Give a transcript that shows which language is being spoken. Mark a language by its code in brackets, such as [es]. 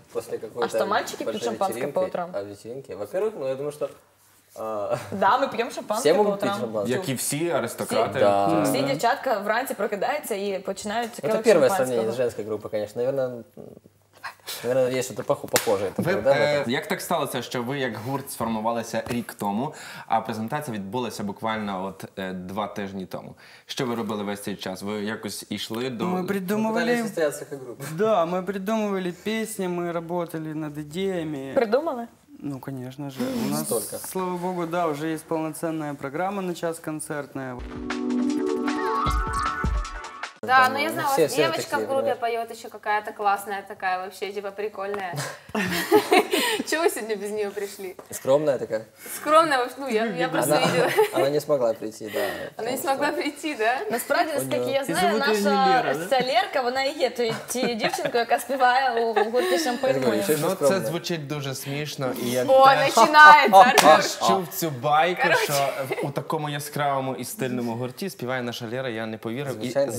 [ru] После какой-то. А что, мальчики пьют шампанское по утрам? А вечеринки? Во-первых, ну я думаю, что... Да, мы пьем шампанское по утрам. Все могут пить шампанское. Як и все аристократы. Да. Все девчатка вранці прокидаются и начинают цикавить шампанское. Это первое сравнение с женской группой, конечно. [uk] Наверное, є щось похоже. Як так сталося, що ви як гурт сформувалися рік тому, а презентація відбулася буквально от 2 тижні тому? Що ви робили весь цей час? Ви якось йшли до... Ми придумували... Ми питалися зустрітися як групи. Да, ми придумували пісні, ми працювали над ідеями. Придумали? Ну, звісно ж. У нас, [ru] столько. [uk] Слава Богу, да, вже є повноцінна програма на час концертна. [ru] Да, ну я знала, что девочка в группе поет еще какая-то классная такая, вообще типа прикольная. Чего сегодня без нее пришли? Скромная такая. Скромная, ну я просто видела. Она не смогла прийти, да. Она не смогла прийти, да? [uk] Насправді, наскільки я знаю, наша солерка, вона і є тією дівчинкою, яка співає у гурті Champagne. Ну це звучить дуже смішно. О, починається. Чув цю байку, що у такому яскравому і стильному гурті співає наша Лера, я не повірив.